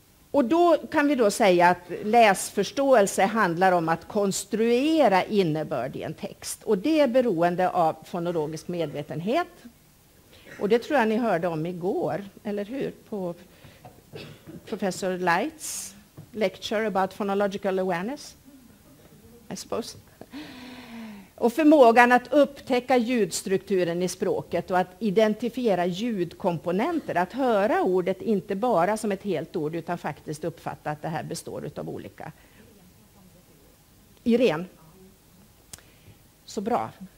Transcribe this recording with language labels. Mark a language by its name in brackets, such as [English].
[Swedish] Och då kan vi då säga att läsförståelse handlar om att konstruera innebörd i en text. Och det är beroende av fonologisk medvetenhet. Och det tror jag ni hörde om igår, eller hur? På [English] professor Lights lecture about phonological awareness, I suppose. [Swedish] Och förmågan att upptäcka ljudstrukturen i språket och att identifiera ljudkomponenter. Att höra ordet inte bara som ett helt ord utan faktiskt uppfatta att det här består av olika. Irene. Så bra.